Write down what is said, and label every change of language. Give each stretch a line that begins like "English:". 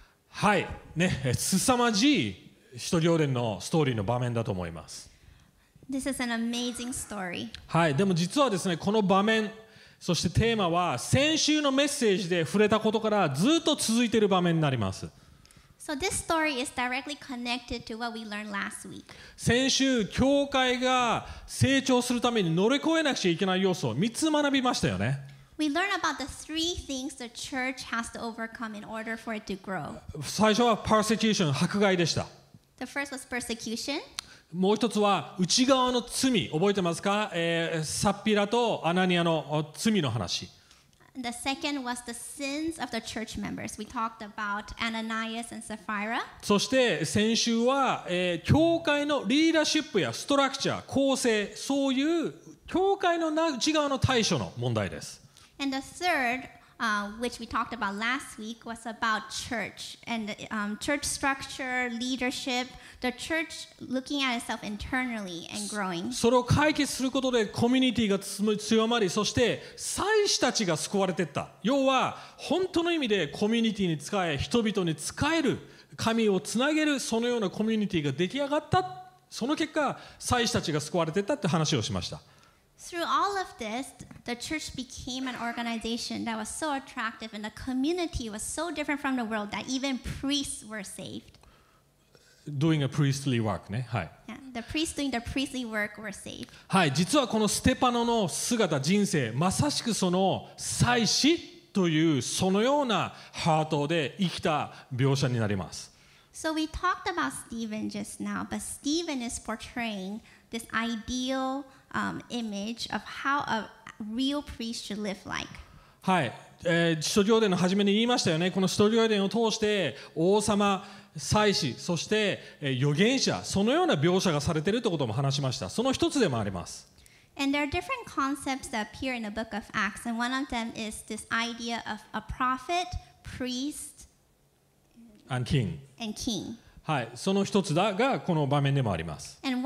Japanese: はい、ね、すさまじい使徒行伝のストーリーの場面だと思います。
English: This is an amazing story.
Japanese: はい、でも実はですね、この場面、そしてテーマは先週のメッセージで触れたことからずっと続いている場面になります。
English: So this story is directly connected to what we learned last week.
Japanese: 先週、教会が成長するために乗り越えなくちゃいけない要素を3つ学びましたよね。
English: We learned about the three things the church has to overcome in order for it to grow.
Japanese: 最初は persecution、迫害でした。
English: The first was persecution.
Japanese: もう一つは内側の罪、覚えてますか？サピラとアナニアの罪の話。
English: The second was the sins of the church members. We talked about Ananias and Sapphira.
Japanese: そして先週は、教会のリーダーシップやストラクチャー、構成、そういう教会の内側の対処の問題です。
English: And the third, which we talked about last week, was about church and church structure, leadership, the church looking at itself internally and growing.
Japanese: それを解決することでコミュニティが強まり、そして祭司たちが救われていった。要は本当の意味でコミュニティに使え、人々に使える、神をつなげる、そのようなコミュニティが出来上がった。その結果、祭司たちが救われていったって話をしました。
English: Through all of this, the church became an organization that was so attractive and the community was so different from the world that even priests were saved. Doing a priestly work, ね。はい。 Yeah, the priests doing the priestly work were saved.
Japanese: はい。実はこのステパノの姿、人生、まさしくその祭司というそのようなハートで生きた描写になります。
English: So we talked about Stephen just now, but Stephen is portraying this ideal image of how a real priest should live like.
Japanese: はい、使徒行伝の初めに言いましたよね。この使徒行伝を通して王様、祭司、そして、預言者、そのような描写がされているということも話しました。その一つでもあります。
English: And there are different concepts that appear in the book of Acts, and one of them is this idea of a prophet, priest, and king. And king.
Japanese: はい、その一つだがこの場面でもあります。